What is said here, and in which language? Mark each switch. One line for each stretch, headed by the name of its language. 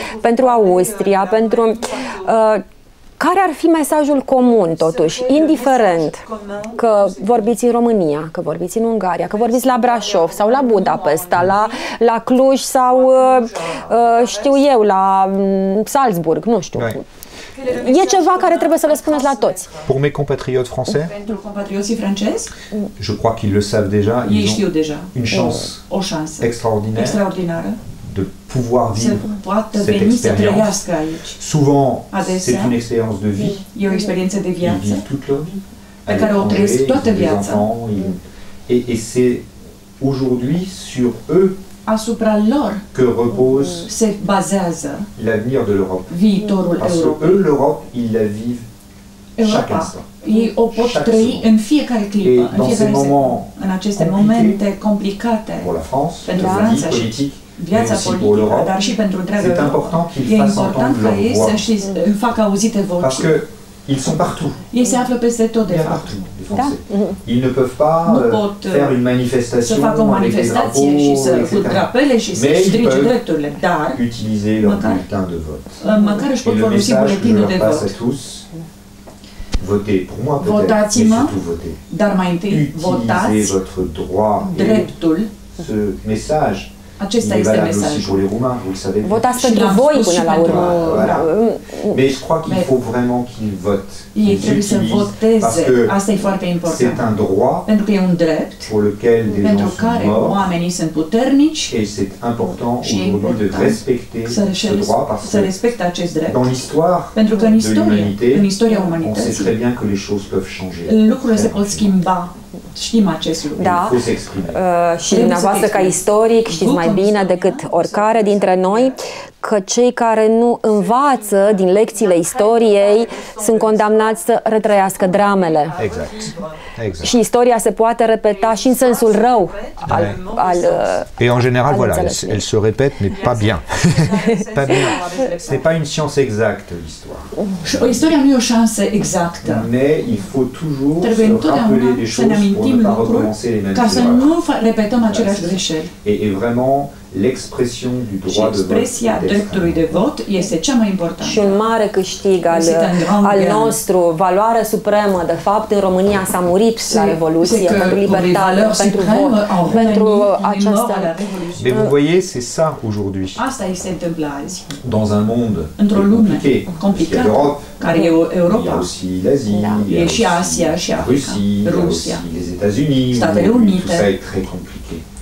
Romanian: Pentru Austria, pentru... care ar fi mesajul comun, totuși, indiferent că vorbiți în România, că vorbiți în Ungaria, că vorbiți la Brașov sau la Budapesta, la Cluj sau, știu eu, la Salzburg, nu știu. E ceva care trebuie să le spuneți la toți.
French: Pour mes compatriotes français?
Romanian: Pentru compatrioții francezi?
French: Je crois qu'ils le savent déjà. Ils ont une chance.
Romanian: O șansă.
French: Extraordinaire.
Romanian: Extraordinară.
French: De pouvoir vivre cette expérience. Souvent, c'est une expérience de vie.
Romanian: E o experiență de viață.
French: Ils vivent toute leur vie.
Romanian: Pe care o trăiesc toată viața.
French: Et c'est aujourd'hui sur eux
Romanian: asupra lor
French: que repose
Romanian: se bazează
French: l'avenir de l'Europe.
Romanian: Viitorul Europei.
French: Parce que eux, l'Europe, ils la vivent chaque instant.
Romanian: Ei o pot trăi în fiecare clipă, în aceste momente complicate
French: pour la France,
Romanian: pentru Franța și viața politică, dar și pentru întreaga Europa. E important ca ei să își facă auzite vocii.
French: Parce que ils sont partout. Ils se trouvent peut-être tout de partout. Les Français. Da? Ils ne peuvent pas faire une manifestation. Se faire une manifestation et se foutre
Romanian: drapele și se strige drepturile, dar
French: utiliser leur bulletin de vote.
Romanian: Măcar își pot folosi buletinul de vot.
French: Tous, votez pour moi peut-être.
Romanian: Dar mai întâi votați.
French: Utilisez votre droit.
Romanian: Dreptul.
French: Ce message.
Romanian: Acesta este mesajul. Votați pentru voi până la urmă.
French: Mais je crois qu'il faut vraiment qu'il vote.
Romanian: Ei trebuie să voteze. Asta e foarte important.
French: C'est un droit.
Romanian: Pentru că e un drept. Pentru care oamenii sunt puternici.
French: Et c'est important aujourd'hui de respecter ce droit parce que
Romanian: să respecte acest drept.
French: Dans l'histoire.
Romanian: Pentru că în istorie, în istoria umanității.
French: On sait très bien que les choses peuvent changer.
Romanian: Lucrurile se pot schimba. știm acest lucru. Da. Și dumneavoastră ca istoric știți mai bine decât oricare dintre noi că cei care nu învață din lecțiile istoriei sunt condamnați să retrăiască dramele. Exact. Exact. Și istoria se poate repeta și în sensul rău al, al
French: et en général voilà, elle se répète mais pas bien. Pas bien. C'est pas une science exacte l'histoire.
Romanian: Istoria nu e o șansă exactă.
French: Mais il faut toujours se rappeler des choses pour ne pas recommencer les mêmes erreurs.
Romanian: Ca să nu repetăm aceleași greșeli.
French: Et vraiment l'expression du droit
Romanian: expresia dreptului de vot este cea mai importantă. Și un mare câștig al, al nostru, valoare supremă, de fapt, în România s-a murit la Revoluție, pentru libertate, pentru vot, pentru această...
French: Mais vous voyez, c'est ça aujourd'hui.
Romanian: Asta îi se întâmplă azi.
French: Dans un monde
Romanian: într-o lume complicată,
French: l'Europe,
Romanian: care e Europa,
French: aussi l'Asie, da.
Romanian: E și Asia, și Africa,
French: Russie,
Romanian: Rusia,
French: les États-Unis,
Romanian: Statele Unite,
French: tout ça est très compliqué.